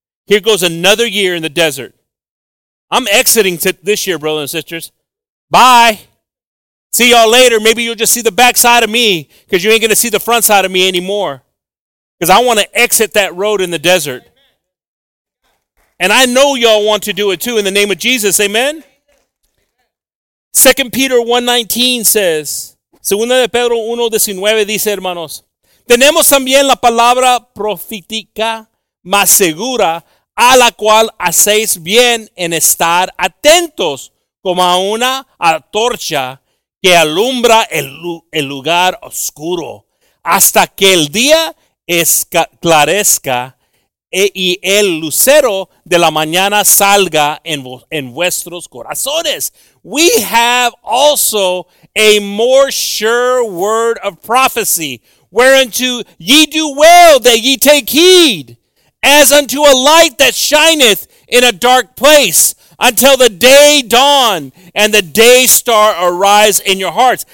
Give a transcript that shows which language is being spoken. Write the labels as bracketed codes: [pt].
[en] Here goes another year in the desert. I'm exiting this year, brothers and sisters. Bye. See y'all later. Maybe you'll just see the backside of me because you ain't going to see the front side of me anymore because I want to exit that road in the desert. And I know y'all want to do it too in the name of Jesus. Amen? 2 Peter 1:19 says, [es] 2 Pedro 1:19 dice, hermanos, tenemos también la palabra profética más segura a la cual hacéis bien en estar atentos como a una antorcha que alumbra el lugar oscuro hasta que el día esclarezca y el lucero de la mañana salga en vuestros corazones. [en] We have also a more sure word of prophecy, whereunto ye do well that ye take heed, as unto a light that shineth in a dark place, until the day dawn and the day star arise in your hearts.